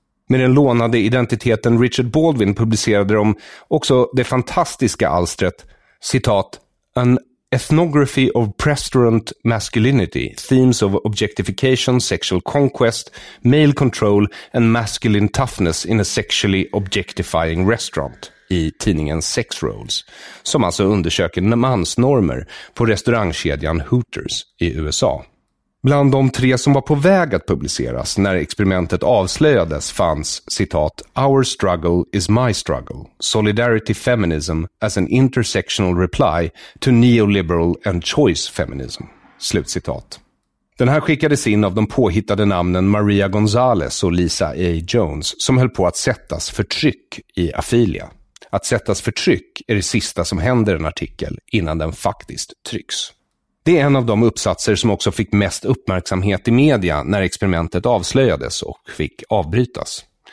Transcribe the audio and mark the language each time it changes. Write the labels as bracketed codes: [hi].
[sv] Med den lånade identiteten Richard Baldwin publicerade de också det fantastiska alstret, citat, [en] "An ethnography of preterist masculinity, themes of objectification, sexual conquest, male control and masculine toughness in a sexually objectifying restaurant" [sv] i tidningen Sex Rolls, som alltså undersöker mansnormer på restaurangkedjan Hooters i USA. Bland de tre som var på väg att publiceras när experimentet avslöjades fanns, citat, [en] "Our struggle is my struggle. Solidarity feminism as an intersectional reply to neoliberal and choice feminism." [sv] Slutcitat. Den här skickades in av de påhittade namnen Maria Gonzalez och Lisa A. Jones, som höll på att sättas för tryck i Afilia. Att sättas för tryck är det sista som händer en artikel innan den faktiskt trycks. Det är en av de uppsatser som också fick mest uppmärksamhet i media när experimentet avslöjades och fick avbrytas.